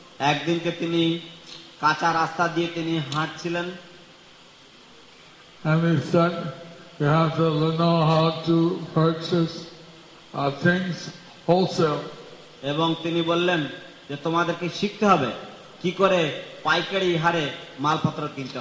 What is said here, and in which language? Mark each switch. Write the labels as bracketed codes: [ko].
[bn] একদিন তিনি কাঁচা রাস্তা দিয়ে তিনি হাঁটছিলেন. [en] And he said, you have to know how to purchase things wholesale. [bn] এবং তিনি বললেন যে তোমাদেরকে শিখতে হবে কি করে পাইকারি হারে মালপত্র কিনতে